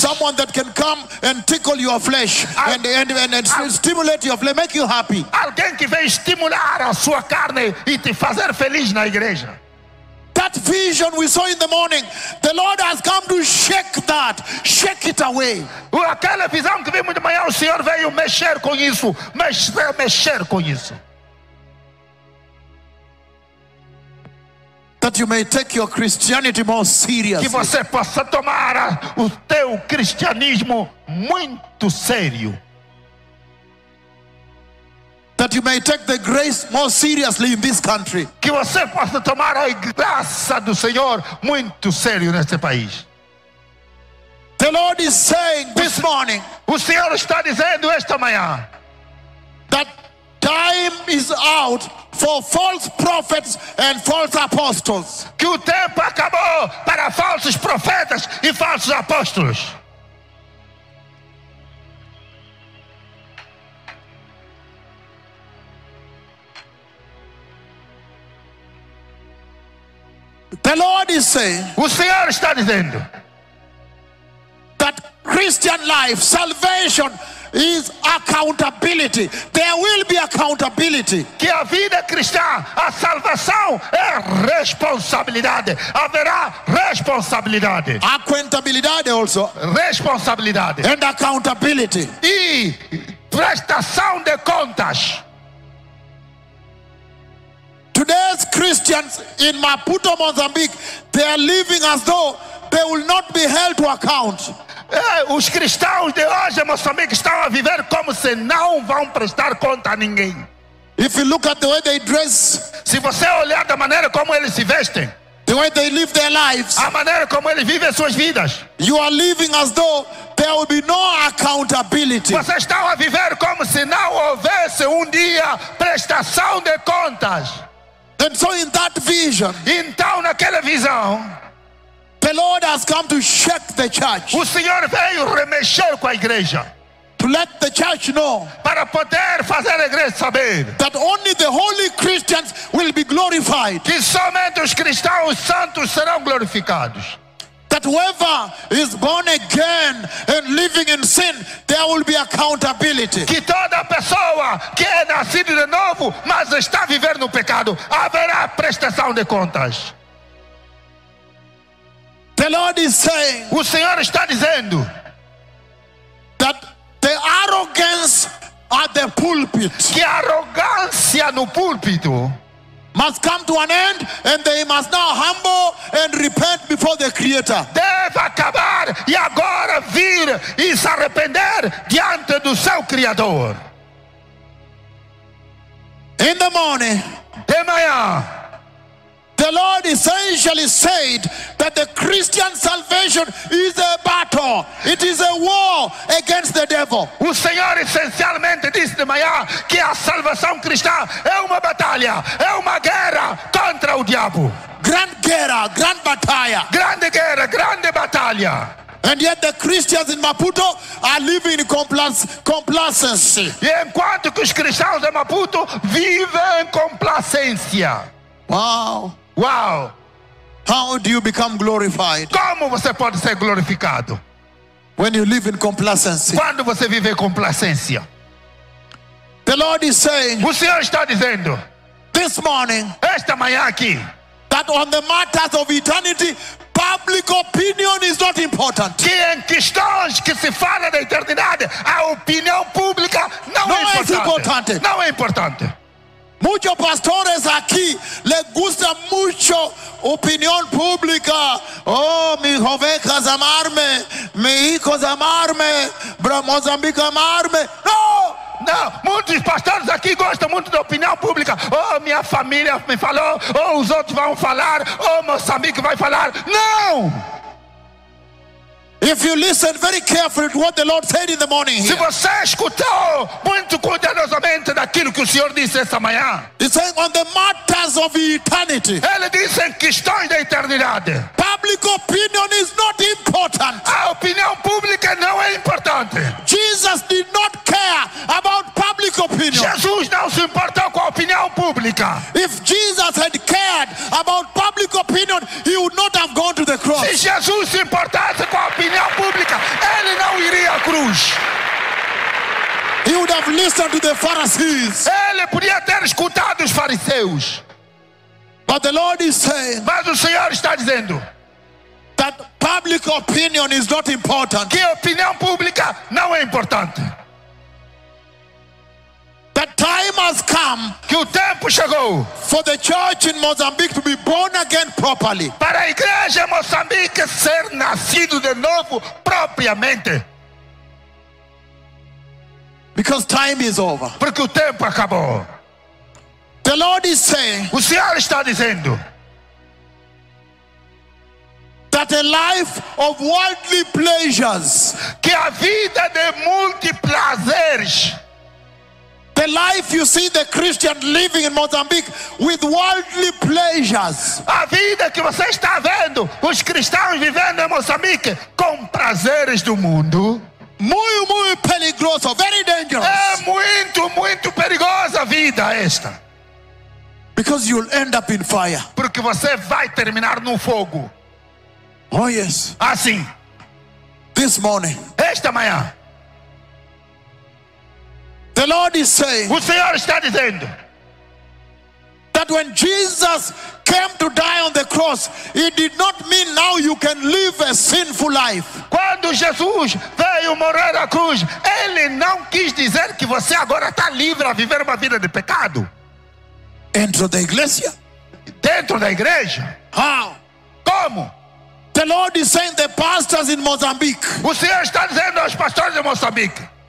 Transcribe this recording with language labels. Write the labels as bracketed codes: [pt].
[en] Someone that can come and tickle your flesh and stimulate your flesh, make you happy. [pt] Alguém que vem estimular a sua carne e te fazer feliz na igreja. [en] That vision we saw in the morning, the Lord has come to shake it away. [pt] Aquela visão que vimos de manhã, o Senhor veio mexer com isso, mexer com isso. [en] That you may take your Christianity more seriously. [pt] Que você possa tomar o teu cristianismo muito sério. [en] That you may take the grace more seriously in this country. [pt] Que você possa tomar a graça do Senhor muito sério neste país. [en] The Lord is saying this morning. [pt] O Senhor está dizendo esta manhã. [en] That time is out for false prophets and false apostles. [pt] Que o tempo acabou para falsos profetas e falsos apóstolos. [en] The Lord is saying, [pt] o Senhor está dizendo, [en] that Christian life, salvation, is accountability. There will be accountability. [pt] Que a vida cristã, a salvação é responsabilidade. Haverá responsabilidade. [en] Accountability also. [pt] Responsabilidade. [en] And accountability. [pt] E prestação de contas. [en] Today's Christians in Maputo, Mozambique, they are living as though they will not be held to account. [pt] Os cristãos de hoje, meus amigos, estão a viver como se não vão prestar conta a ninguém. [en] If you look at the way they dress, [pt] se você olhar da maneira como eles se vestem, [en] the way they live their lives, [pt] a maneira como eles vivem suas vidas, [en] you are living as though there will be no accountability. [pt] Você está a viver como se não houvesse dia prestação de contas. [en] And so in that vision, [pt] então naquela visão, [en] the Lord has come to shake the church. [pt] O Senhor veio remexer com a igreja. [en] To let the church know. [pt] Para poder fazer a igreja saber. [en] That only the holy Christians will be glorified. [pt] Que somente os cristãos santos serão glorificados. [en] That whoever is born again and living in sin, there will be accountability. [pt] Que toda pessoa que é nascida de novo, mas está vivendo no pecado, haverá prestação de contas. [en] The Lord is saying, [pt] o Senhor está dizendo, [en] that the arrogance at the pulpit, [pt] que arrogância no púlpito, [en] must come to an end, and they must now humble and repent before the Creator. [pt] Deve acabar e agora vir e se arrepender diante do seu Criador. [en] In the morning, [pt] de manhã, [en] the Lord essentially said that the Christian salvation is a battle. It is a war against the devil. [pt] O Senhor essencialmente disse de manhã que a salvação cristã é uma batalha, é uma guerra contra o diabo. Grande guerra, grande batalha. Grande guerra, grande batalha. [en] And yet the Christians in Maputo are living in complacency. [pt] E enquanto que os cristãos de Maputo vivem complacência. Wow. Wow. [en] How do you become glorified? [pt] Como você pode ser glorificado? [en] When you live in complacency. [pt] Quando você vive em complacência. [en] The Lord is saying. [pt] O Senhor está dizendo. [en] This morning. [pt] Esta manhã aqui. [en] That on the matters of eternity, public opinion is not important. [pt] Que em questões que se fala da eternidade, a opinião pública não é importante. Não é importante. [es] Muchos pastores aquí les gusta mucho opinión pública. Oh, mis ovejas amarme, mis hijos amarme, Mozambique amarme. No! No, muchos pastores aquí gustan mucho de opinión pública. Oh, mi familia me faló, oh, los otros van a hablar, oh, Mozambique va a hablar. No! [en] If you listen very carefully to what the Lord said in the morning here. [pt] Se você escutou muito cuidadosamente daquilo que o Senhor disse esta manhã. [en] He's saying on the matters of eternity. [pt] Ele disse em questões da eternidade. [en] Public opinion is not important. [pt] A opinião pública não é importante. [en] Jesus did not care about public opinion. [pt] Jesus não se importou com a opinião pública. [en] If Jesus had cared about public opinion, he would not have gone to the cross. [pt] Se Jesus se importasse com a opinião pública, ele não iria à cruz. [en] He would have listened to the Pharisees. [pt] Ele podia ter escutado os fariseus. [en] But the Lord is saying, [pt] mas o Senhor está dizendo, [en] that public opinion is not important. [pt] Que a opinião pública não é importante. [en] The time has come, [pt] que o tempo chegou, [en] for the church in Mozambique to be born again properly. [pt] Para a igreja em Moçambique ser nascido de novo propriamente. [en] Because time is over. [pt] Porque o tempo acabou. [en] The Lord is saying, [pt] o Senhor está dizendo, [en] that a life of worldly pleasures, [pt] que a vida de multiprazeres, [en] the life you see the Christian living in Mozambique with worldly pleasures. [pt] A vida que você está vendo os cristãos vivendo em Moçambique com prazeres do mundo. Muito, muito perigoso. [en] Very dangerous. [pt] É muito, muito perigosa a vida esta. [en] Because you'll end up in fire. [pt] Porque você vai terminar no fogo. [en] Oh yes. [pt] Assim. [en] This morning. [pt] Esta manhã. [en] The Lord is saying. [pt] O Senhor está dizendo. [en] That when Jesus came to die on the cross, he did not mean now you can live a sinful life. [pt] Quando Jesus veio morrer na cruz, ele não quis dizer que você agora está livre a viver uma vida de pecado. Dentro da igreja? Dentro da igreja? [en] How? [pt] Como? [en] The Lord is saying the pastors in Mozambique. [pt] O Senhor está dizendo aos pastores de Moçambique.